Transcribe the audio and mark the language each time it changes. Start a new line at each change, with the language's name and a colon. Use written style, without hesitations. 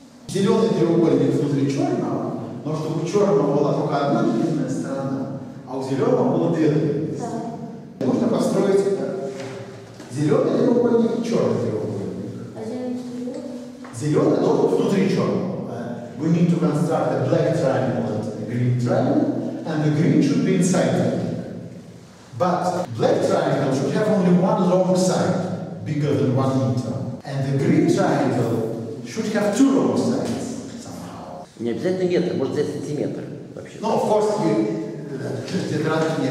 Russian: Зеленый треугольник внутри черного, но чтобы у черного была только одна длинная сторона, а у зеленого было две длинные. Да. Можно построить зеленый треугольник и черный треугольник. Зеленый должен быть внутри черного.
English: We need to construct a black triangle and a green triangle, and the green should be inside it. But black triangle should have only one long side, bigger than 1 meter. And the green triangle should have two wrong sides somehow.
Russian: Не обязательно метр, может взять сантиметр вообще.
English: No, of course, you just get around to me.